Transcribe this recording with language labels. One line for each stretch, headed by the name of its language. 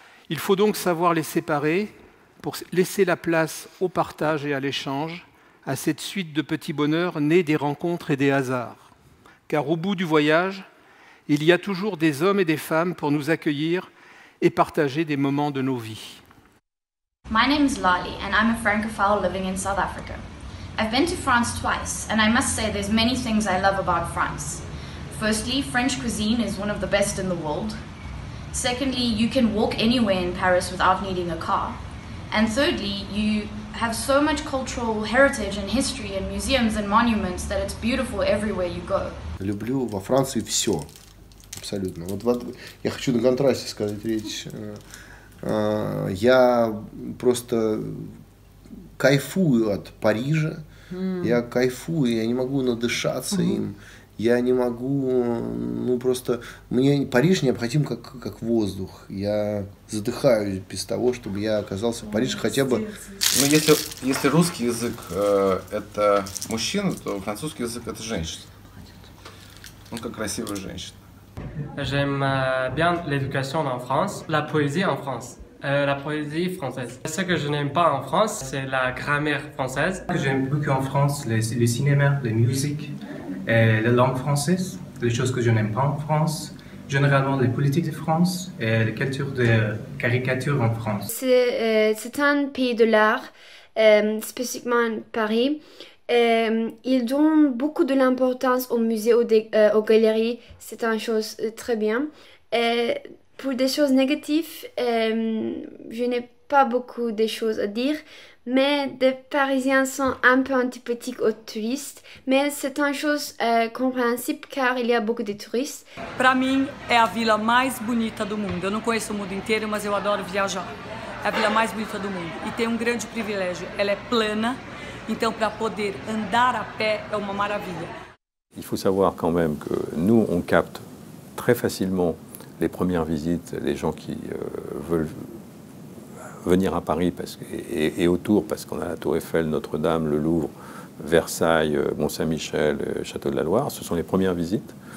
French: Il faut donc savoir les séparer pour laisser la place au partage et à l'échange, à cette suite de petits bonheurs nés des rencontres et des hasards. Car au bout du voyage, il y a toujours des hommes et des femmes pour nous accueillir et partager des moments de nos vies.
English: My name is Lali and I'm a Francophile living in South Africa. I've been to France twice and I must say there's many things I love about France. Firstly, French cuisine is one of the best in the world. Secondly, you can walk anywhere in Paris without needing a car. And thirdly, you have so much cultural heritage and history and museums and monuments that it's beautiful everywhere you go.
Russian: Люблю во Франции всё. Абсолютно. Вот я хочу на контрасте сказать речь. Я просто кайфую от Парижа. Я кайфую, я не могу надышаться им. Я не могу, ну просто, мне Париж необходим как воздух. Я задыхаюсь без того, чтобы я оказался в Париже хотя бы. Ну если русский язык это мужчина, то французский язык это женщина. Ну как красивая женщина.
French: J'aime bien l'éducation en France, la poésie en France. La poésie française. Ce que je n'aime pas en France, c'est la grammaire française. Ce que j'aime beaucoup en France, c'est le cinéma, la musique, et la langue française. Les choses que je n'aime pas en France, généralement les politiques de France et la culture de caricature en France. C'est un pays de l'art, spécifiquement Paris. Ils donnent beaucoup de l'importance aux musées, aux galeries. C'est une chose très bien. Pour des choses négatives, je n'ai pas beaucoup de choses à dire, mais des Parisiens sont un peu antipathiques aux touristes, mais c'est une chose compréhensible car il y a beaucoup de touristes.
Portuguese: Para mim é a vila mais bonita do mundo. Eu não conheço o mundo inteiro, mas eu adoro viajar. É a vila mais bonita do mundo e tem um grande privilégio, ela é plana, então para poder andar a pé é uma maravilha.
French: Il faut savoir quand même que nous on capte très facilement les premières visites, les gens qui veulent venir à Paris parce que, et autour, parce qu'on a la Tour Eiffel, Notre-Dame, le Louvre, Versailles, Mont-Saint-Michel, Château de la Loire, ce sont les premières visites.